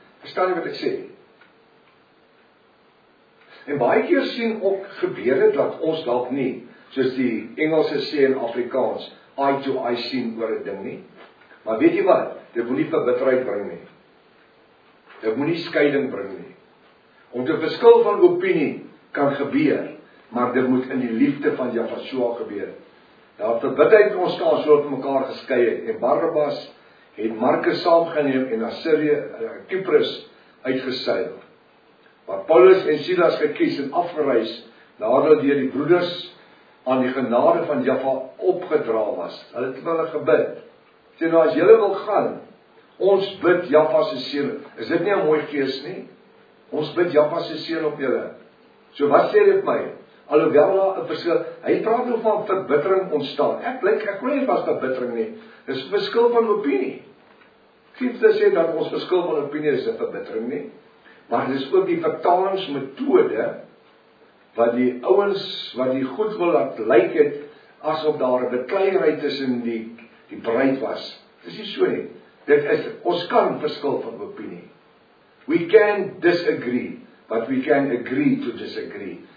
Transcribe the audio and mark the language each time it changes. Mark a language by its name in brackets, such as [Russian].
[Afrikaans] Verstaan jy wat ek sê? En baie keer sien ook gebeur het dat ons dalk nie, soos die Engelse sê in Afrikaans, eye to eye sien oor het ding nie. Maar weet jy wat? Dit moet nie verbitterheid bring nie. Dit moet nie scheiding bring nie. Om te verskil van opinie kan gebeur, maar dit moet in die liefde van Jehovah gebeur. Daar het verbitterheid ontstaan so op mekaar geskei het, en Barnabas het Markus saamgeneem en na Sirië, Kypros uitgeseil. Maar Paulus en Silas gekies en afgereis nadat deur die broeders aan die genade van Jehovah opgedra was. Hulle het hulle gebid. Sê nou, as julle wil gaan, ons bid Jehovah se seën. Is dit nie 'n mooi gees nie? Ons bid Jehovah se seën op julle. So wat sê dit my? Alhoewel daar 'n verskil, hy praat nou van verbittering ontstaan. Ek glo nie vas dat verbittering nie. Dis 'n verskil van opinie. Skrifte sê dat ons verskil van opinie is 'n verbittering nie. Maar dis ook die vertalingsmetode wat die ouens wat die goed wil laat lyk het asof daar 'n bekleierheid tussen die bruid was. Dis nie so nie. Dit is, ons kan verskil van opinie. [English] We can disagree, but we can agree to disagree.